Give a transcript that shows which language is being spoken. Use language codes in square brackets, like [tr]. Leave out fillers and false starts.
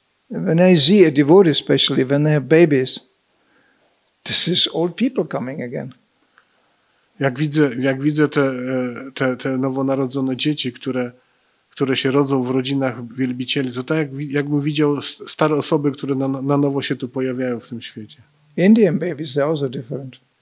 [en] When I see a devotee, especially when they have babies. This is old people coming again. [pl] Jak widzę te nowonarodzone dzieci, które się rodzą w rodzinach wielbicieli, to tak jakbym widział stare osoby, które na nowo się tu pojawiają w tym świecie. [en] Indian babies are also different.